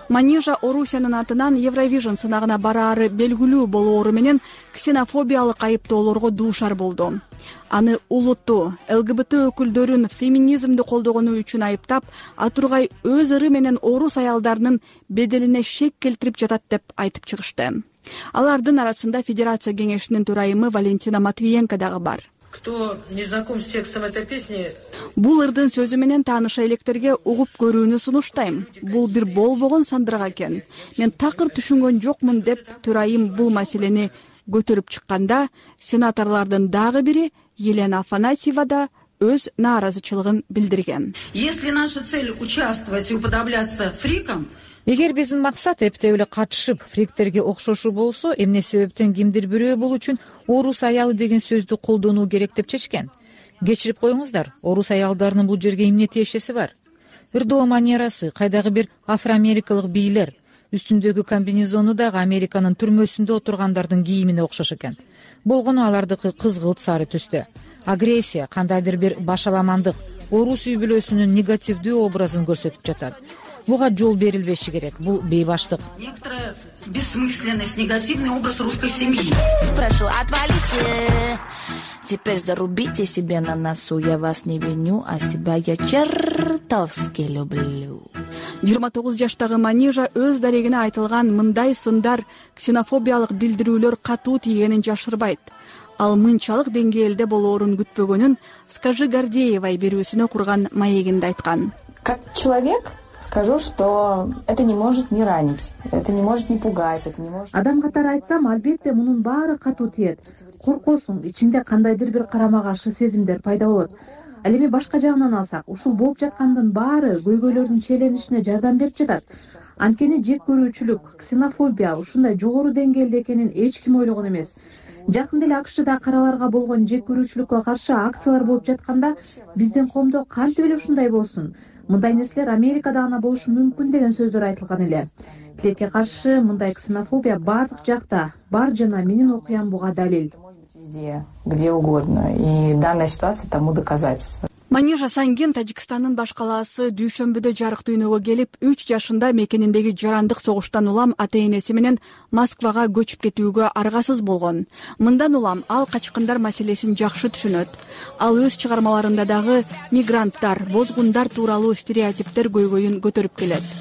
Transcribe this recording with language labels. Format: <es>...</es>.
<ky>Манижа Орусиянын атынан Евровижн сынагына бараары белгилүү болоору менен ксенофобиялык айыптоолорго дуушар болду. Аны улуттуу, ЛГБТ өкүлдөрүн феминизмди колдогону үчүн айыптап, атургай өз ыры менен орус аялдарынын беделине шек келтирип жатат деп айтып чыгышты. Алардын арасында Федерация кеңешинин төрайымы Валентина Матвиенко дагы бар.</ky> <ru>Кто не знаком с текстом этой песни?</ru> <ky>Бул ырдын сөзү менен тааныша электерге угуп көрүүнү сунуштайм. Бул бир болбогон сандырак экен. Мен такыр түшүнгөн жокмун, деп төрайым бул маселени көтөрүп чыкканда сенаторлордун дагы бири Елена Афанасьева да өз нааразычылыгын билдирген.</ky> <ru>Если наша цель участвовать и уподобляться фрикам,</ru> <ky>эгер биздин максат эптеуле катышып фриктерге окшошу болсо, эмне себептен кимдир бирөө бул үчүн орус аялы деген сөздү колдонуу керек деп чечкен? Кечирип коюңуздар, орус аялдарынын бул жерге эмне тиешеси бар? Ырдоо манерасы, кайдагы бир афроамерикалык бийлер үстүндөгү комбинезону дагы Американын түрмөсүндө отургандардын кийимине окшош экен. Болгону алардыкы кызгылт сары түстө. Агрессия, кандайдыр бир башаламандык орус үй бүлөсүнүн негативдүү образын көрсөтүп жатат. Буга жол берилбеши керек. Бул бейбаштык.</ky> <ru>Некоторая бессмысленность, негативный образ русской семьи. Прошу, отвалите. Теперь зарубите себе на носу. Я вас не виню, а себя я чертовски люблю.</ru> <ky>29 жаштагы Манижа өз дарегине айтылган мындай сындар, ксенофобиялык билдирүүлөр катуу тийгенин жашырбайт. Ал мынчалык деңгээлде болоорун күтпөгөнүн Скажи Гордеевай берүүсүнө курган маегинде айткан.</ky> <ru>Как человек скажу, что это не может не ранить, это не может не пугать, это не может...</ru> <ky>Адам катар айтсам, албетте мунун баары катуу тиет. Коркосуң, ичинде кандайдыр бир карама-каршы сезимдер пайда болот. Ал эми башка жагынан алсак, ушул болуп жаткандын баары көйгөйлөрдүн челенишине жардам берип жатат. Анткени жек көрүүчүлүк, ксенофобия ушундай жогору деңгээлде экенин эч ким ойлогон эмес. Жакында эле АКШда караларга болгон жек көрүүчүлүккө каршы акциялар болуп жатканда, биздин коомдо кантип эле ушундай болсун? Мындай нерселер Америкада гана болушу мүмкүн деген сөздөр айтылган эле. Тилекке каршы мындай ксенофобия бардык жакта бар, жана менин окуям буга далил.</ky> <ru>Где угодно. И данная ситуация тому доказательство.</ru> <ky>Манижа Сангин Таджикстандын баш калаасы дүйшөмбүдө жарык дүйнөгө келип, 3 жашында мекениндеги жарандык согуштан улам ата энеси менен Москвага көчүп кетүүгө аргасыз болгон. Мындан улам ал качкындар маселесин жакшы түшүнөт. Ал өз чыгармаларында дагы мигранттар, бозгундар тууралуу стереотиптер көйгөйүн көтөрүп келет.</ky>